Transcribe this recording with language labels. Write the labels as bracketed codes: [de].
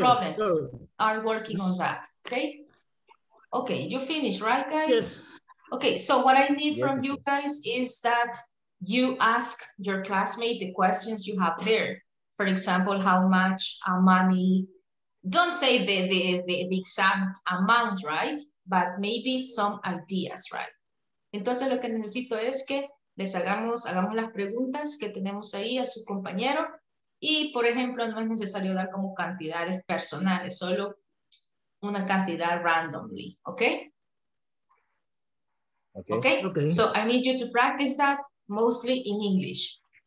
[en] problem. Are working on that, okay? Okay, you finished, right, guys? Yes. Okay, so what I need from you guys is that you ask your classmate the questions you have there. For example, how much money, don't say the exact amount, right? But maybe some ideas, right? [es] Entonces lo que necesito es que les hagamos las preguntas que tenemos ahí a su compañero. Y por ejemplo, no es necesario dar como cantidades personales, solo una cantidad [en] randomly, okay? [es] Okay? [en] Okay, so I need you to practice that mostly in English.